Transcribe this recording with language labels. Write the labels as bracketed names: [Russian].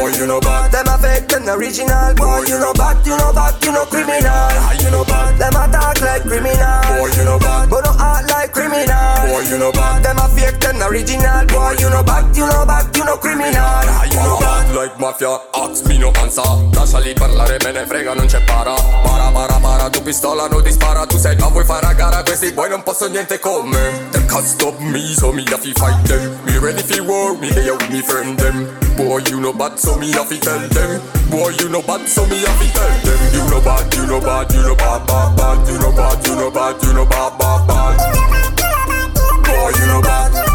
[English] Boy, you know bad. Them a fake, them original. Boy, you know bad, you know bad, you know criminal. Yeah, you know bad. Them attack like criminal. Boy, you know bad. But no act like criminal. Boy, you know bad. Them a fake, them original. Boy, you know bad, you know bad, you know criminal. Yeah, you know bad. Like mafia, ask me no answer. [Italian] Lascia lì parlare, me ne frega, non c'è para. Para, para, para, tu pistola non dispara. Tu sei qua, vuoi fare a gara. Questi boy non posso niente con me. [English] They can't stop me, so me have to fight them. Me ready for war, me they are with me friend them. Boy, you know bad, so me have to tell them. Boy, you know bad, so me have to tell them. You know bad, you know bad, you know bad, bad, bad. You know bad, you know bad, you know bad, bad, bad. Boy, you know bad.